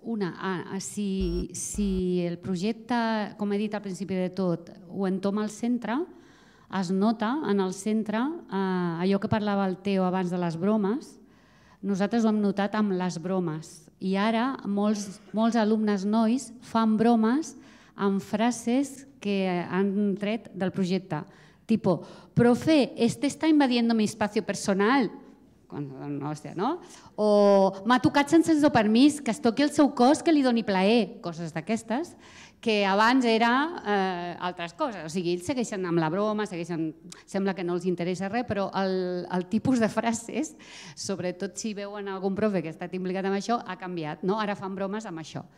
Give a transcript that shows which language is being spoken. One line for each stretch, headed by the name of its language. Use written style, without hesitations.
Catalan: Una, si el projecte, com he dit al principi de tot, ho entoma al centre, es nota en el centre allò que parlava el Teo abans de les bromes, nosaltres ho hem notat amb les bromes. I ara molts alumnes nois fan bromes amb frases que han tret del projecte.
Spanish: Tipo, profe, este está invadiendo mi espacio personal.
Catalan: No? O m'ha tocat sense el seu permís, que es toqui el seu cos, que li doni plaer, coses d'aquestes, que abans era altres coses. O sigui, ells segueixen amb la broma, sembla que no els interessa res, però el tipus de frases, sobretot si veuen algun profe que està implicat amb això, ha canviat. No? Ara fan bromes amb això.